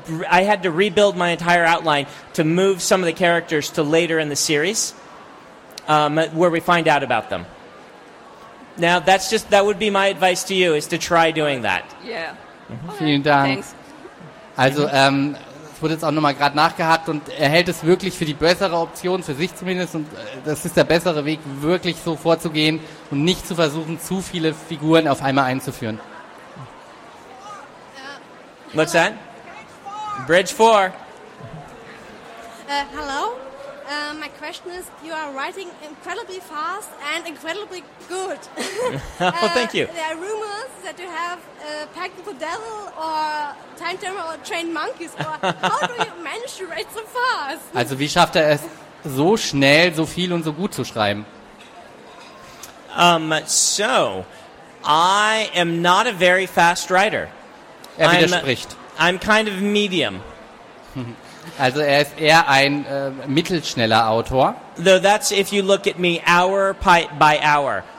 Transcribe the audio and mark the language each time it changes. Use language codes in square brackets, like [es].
[en] I had to rebuild my entire outline to move some of the characters to later in the series, where we find out about them. Now, that would be my advice to you, is to try doing that. Yeah. [de] Vielen Dank. [en] Thanks. [de] Also, es wurde jetzt auch nochmal gerade nachgehakt und er hält es wirklich für die bessere Option, für sich zumindest, und das ist der bessere Weg, wirklich so vorzugehen und nicht zu versuchen, zu viele Figuren auf einmal einzuführen. [en] What's that? Bridge 4. Hello. My question is, you are writing incredibly fast and incredibly good. Well, thank you. There are rumors that you have a technical devil or time turner or trained monkeys. Or how do you manage to write so fast? [de] Also, wie schafft er es, so schnell, so viel und so gut zu schreiben? [en] So, I am not a very fast writer. [de] Er widerspricht. [en] I'm kind of medium. [de] Also er ist eher ein mittelschneller Autor. [en] Though that's if you look at me hour by hour.